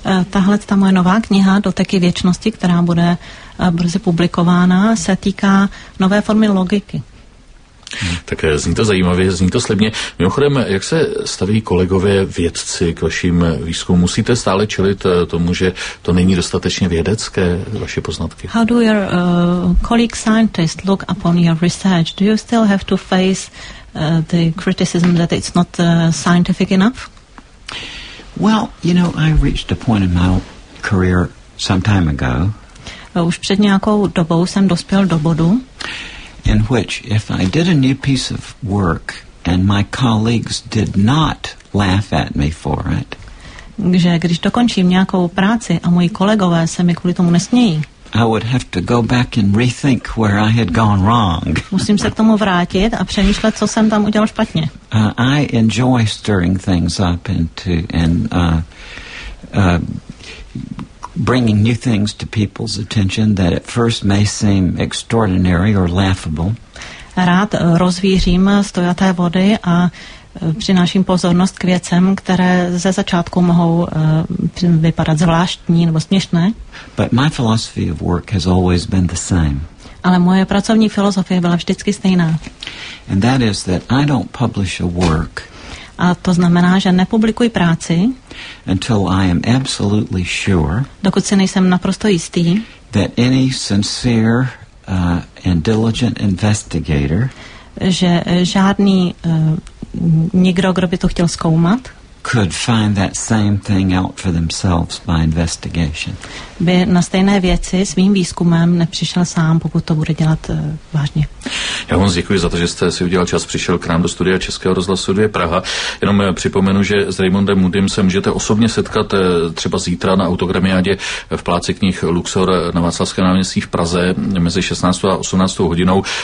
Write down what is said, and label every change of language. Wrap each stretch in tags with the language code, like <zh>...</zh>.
<cs>Tahle ta moje nová kniha, Doteky věčnosti, která bude brzy publikována, se týká nové formy logiky. Tak zní to zajímavě, zní to slibně. Mimochodem, jak se staví kolegové vědci k vašim výzkumům? Musíte stále čelit tomu, že to není dostatečně vědecké, vaše poznatky?</cs> <en>How do your colleague scientists look upon your research? Do you still have to face the criticism that it's not scientific enough? Well, you know, I reached a point in my career some time ago.</en> <cs>Už před nějakou dobou jsem dospěl do bodu.</cs> <en>In which if I did a new piece of work and my colleagues did not laugh at me for it.</en> <cs>Že když dokončím nějakou práci a moji kolegové se mi kvůli tomu nesmějí.</cs> <en>I would have to go back and rethink where I had gone wrong.</en> <cs>Musím se k tomu vrátit a přemýšlet, co jsem tam udělal špatně.</cs> <en>I enjoy stirring things up into and bringing new things to people's attention that at first may seem extraordinary or laughable.</en> <cs>Rád rozvířím stojaté vody a přináším pozornost k věcem, které ze začátku mohou vypadat zvláštní nebo směšné.</cs> <en>But my philosophy of work has always been the same.</en> <cs>Ale moje pracovní filozofie byla vždycky stejná.</cs> <en>And that is that I don't publish a work.</en> <cs>A to znamená, že nepublikuji práci.</cs> <en>Until I am absolutely sure.</en> <cs>Dokud si nejsem naprosto jistý.</cs> <en>That any sincere and diligent investigator.</en> <cs>Že žádný nikdo, kdo by to chtěl zkoumat,</cs> <en>could find that same thing out for themselves by investigation.</en> <cs>By na stejné věci svým výzkumem nepřišel sám, pokud to bude dělat vážně. Já vám děkuji za to, že jste si udělal čas, přišel k nám do studia Českého rozhlasu 2 Praha. Jenom připomenu, že s Raymondem Moodym se můžete osobně setkat třeba zítra na autogramiádě v Pláci knih Luxor na Václavském náměstí v Praze mezi 16. a 18. hodinou.</cs>